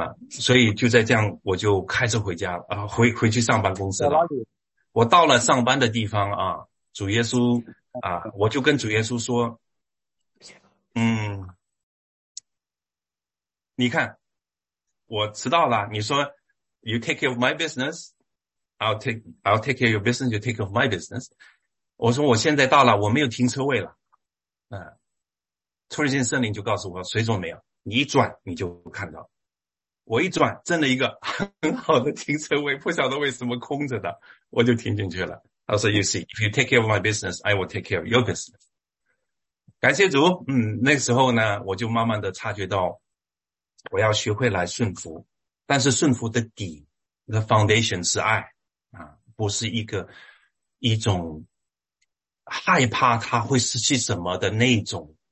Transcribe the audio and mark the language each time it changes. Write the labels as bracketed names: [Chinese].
[Chinese] 所以就在这样，我就开车回家了，回去上班公司了。我到了上班的地方啊，主耶稣啊，我就跟主耶稣说：“你看，我迟到了。你说 [English] ‘You take care of my business, I'll take care of your business, you take care of my business.’ [Chinese] 我说我现在到了，我没有停车位了。突然间圣灵就告诉我，谁说没有？” 你一转你就看到，我一转真的一个很好的停车位，不晓得为什么空着的，我就停进去了。他说：“ [English] You see, if you take care of my business, I will take care of your business。” [Chinese] 感谢主，那时候呢，我就慢慢的察觉到，我要学会来顺服，但是顺服的底，那个 foundation 是爱啊，不是一种害怕他会失去什么的那种。